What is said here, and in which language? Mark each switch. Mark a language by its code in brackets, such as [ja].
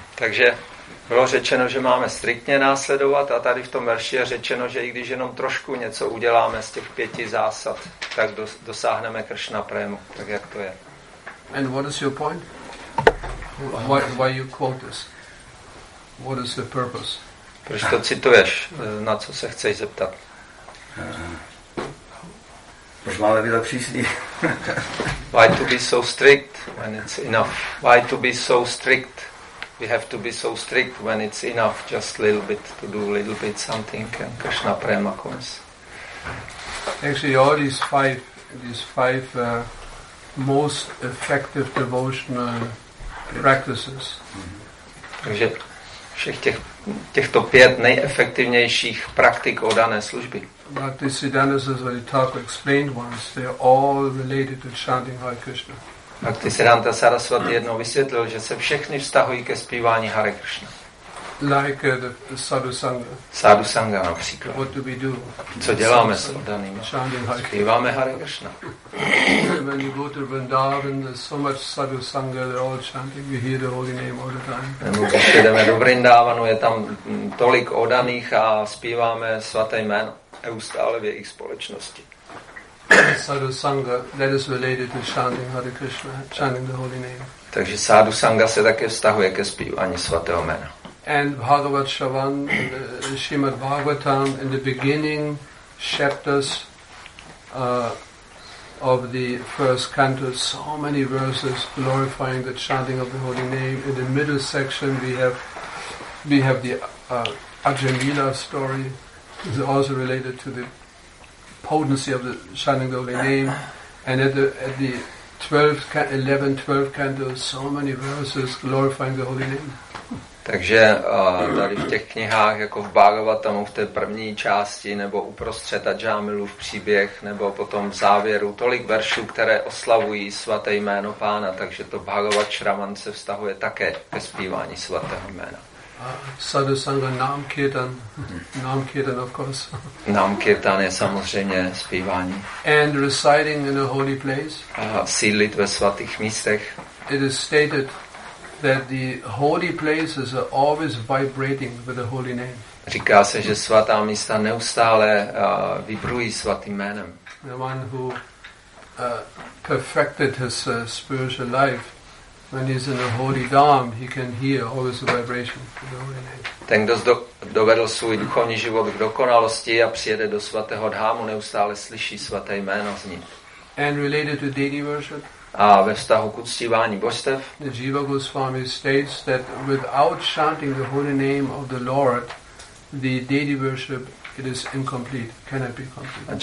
[cs] Takže bylo řečeno, že máme striktně následovat a tady v tom verši je řečeno, že i když jenom trošku něco uděláme z těch pěti zásad, tak dosáhneme Krishna prému. Tak jak to je? [en] And what is your point? Why you quote this? What is the purpose? [cs] Proč to cituješ? Na co se chceš zeptat? Proč máme být tak přísný? [en] Why to be so strict when it's enough? Why to be so strict? We have to be so strict when it's enough just a little bit to do a little bit something and Krishna prema comes. Actually, all these five most effective devotional practices. [cs] Takže všech těchto pět nejefektivnějších praktik o dané služby. [en] But the Siddhanta Saraswati Thakur explained once, they are all related to chanting Hare Krishna. [cs] Bhakti Siddhanta Saraswati jednou vysvětlil, že se všechny vztahují ke zpívání Hare Krishna. [en] like the sadhu sangha. [cs] Sadhu sangha například. [en] What do we do? [cs] Co děláme s oddanými? [en] Chanting Hare [cs] Krishna. Zpíváme Hare Krishna. [en] When you go to Vrindavan, there's so much sadhu sangha, they're all chanting, we hear the holy name all the time. [cs] Když jdeme do Vrindavanu, je tam tolik oddaných a zpíváme svaté jméno neustále v jejich společnosti. [en] Sadhu sangha, that is related to chanting Hare Krishna, chanting the holy name. [cs] Takže sadhu sangha se také vztahuje ke zpívání svatého jména. [en] And Bhagavat Shravan, Srimad Bhagavatam, in the beginning chapters of the first canto, so many verses glorifying the chanting of the holy name. In the middle section we have the Ajahn Leela story, is also related to the potency of the chanting the holy name. And at the 11th canto, so many verses glorifying the holy name. [cs] Takže tady v těch knihách, jako v Bhagavatamu, v té první části, nebo uprostřed Ajahnmilu v příběh, nebo potom v závěru, tolik veršů, které oslavují svaté jméno pána, takže to Bhagavat Shravan se vztahuje také ke zpívání svatého jména. [en] Sadhu Sangha Nam Kirtan. Nam Kirtan, of course. [cs] Nam Kirtan je samozřejmě zpívání. [en] And reciting in a holy place. [cs] Sídlit ve svatých místech. [en] It is stated that the holy places are always vibrating with the holy name. [cs] Říká se, že svatá místa neustále vibrují svatým jménem. [en] The one who perfected his spiritual life, when he's in a holy dham, he can hear always the vibration of the holy name. [cs] Ten, kdo dovedl svůj duchovní život k dokonalosti a přijede do svatého dhámu, neustále slyší svaté jméno z ní. [en] And related to deity worship. [cs] A ve vztahu k uctívání božstev. [en] Jiva Goswami states that without chanting the holy name of the Lord, the deity worship, it is incomplete, cannot be complete.